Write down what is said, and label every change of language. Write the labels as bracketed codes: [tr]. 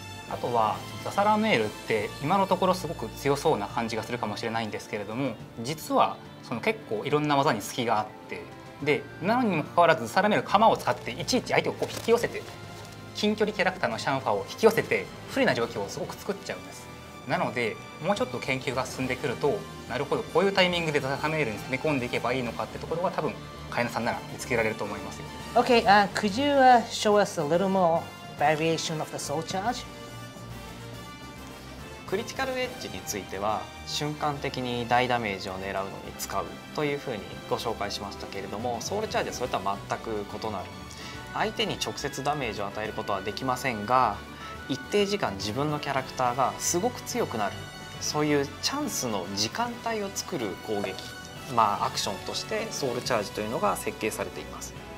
[ja] あとはザ・サラメールって今のところすごく強そうな感じがするかもしれないんですけれども、実はその結構いろんな技に隙があって、でなのにもかかわらずザ・サラメール釜を使っていちいち相手をこう引き寄せて、近距離キャラクターのシャンファを引き寄せて不利な状況をすごく作っちゃうんです。なのでもうちょっと研究が進んでくると、なるほどこういうタイミングでザ・サラメールに攻め込んでいけばいいのかってところは多分カエナさんなら見つけられると思いますよ。 [en] OK、could you show us a little more variation of the soul charge? [ja] クリティカルエッジについては瞬間的に大ダメージを狙うのに使うというふうにご紹介しましたけれども、ソウルチャージはそれとは全く異なる、相手に直接ダメージを与えることはできませんが、一定時間自分のキャラクターがすごく強くなる、そういうチャンスの時間帯を作る攻撃、まあアクションとしてソウルチャージというのが設計されています。